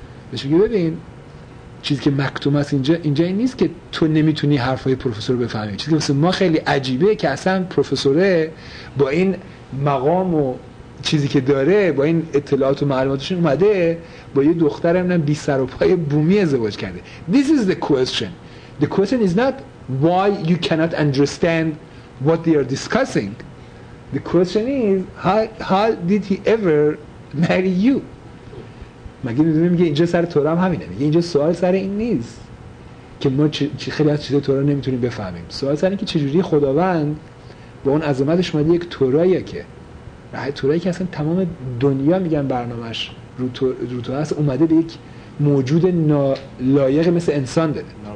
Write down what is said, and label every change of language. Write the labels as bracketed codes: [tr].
[fa] بهش میگه ببین چیزی که مکتوم است اینجا این نیست که تو نمیتونی حرفای پروفسور رو بفهمی، چیزی که واسه ما خیلی عجیبه که اصلا پروفسوره با این مقام و چیزی که داره با این اطلاعات و معلوماتش اومده با یه دختر همینم بی سر و پای بومی ازدواج کرده. [en] This is the question. The question is not why you cannot understand what they are discussing. The question is how did he ever marry you? [fa] مگه میدونه میگه اینجا سر تورا هم همینه، میگه اینجا سوال سر این نیست که ما خیلی از چیزا تورا نمیتونیم بفهمیم، سوال سر این که چجوری خداوند با اون عظمتش اومده یک تورایی که راه تورایی که اصلا تمام دنیا میگن برنامهش رو تورا هست اومده به یک موجود نالایق مثل انسان داده.